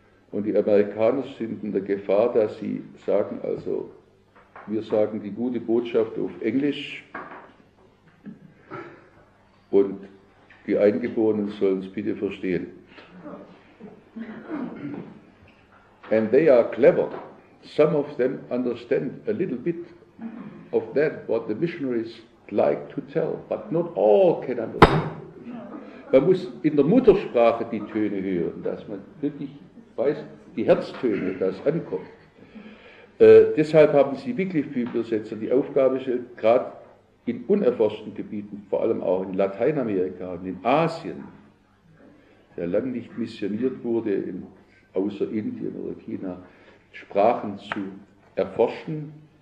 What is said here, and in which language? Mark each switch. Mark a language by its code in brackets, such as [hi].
[de] Und die Amerikaner sind in der Gefahr, dass sie sagen, also wir sagen die gute Botschaft auf Englisch und die Eingeborenen sollen es bitte verstehen. [en] And they are clever. Some of them understand a little bit of that, what the missionaries like to tell, but not all can understand. [de] Man muss in der Muttersprache die Töne hören, dass man wirklich weiß, die Herztöne, das ankommt. Deshalb haben sie wirklich Bibelsetzer die Aufgabe gestellt, gerade in unerforschten Gebieten, vor allem auch in Lateinamerika und in Asien, der lange nicht missioniert wurde, außer Indien oder China, Sprachen zu erforschen.